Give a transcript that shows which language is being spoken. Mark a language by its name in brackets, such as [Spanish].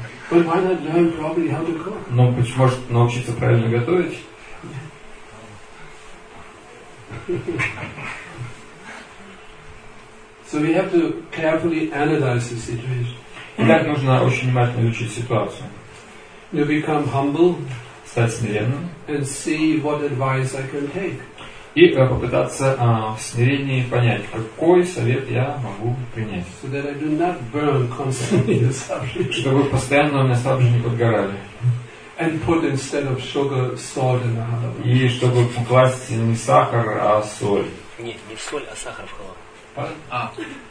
[English] But why not learn probably how to cook? [Russian] Ну, может, научиться правильно готовить? [English] So we have to carefully analyze the situation. [Russian] Итак, нужно очень внимательно изучить ситуацию. [English] You become humble. [Russian] Стать смиренным. [English] And see what advice I can take. [Russian] И попытаться в смирении понять, какой совет я могу принять. [English] So that I do not burn constantly the subject. [Russian] Чтобы постоянно у меня сабжи не подгорали. [English] And put instead of sugar, salt in the oven. [Russian] И чтобы класть не сахар, а соль. Нет, не в соль, а сахар в халаву.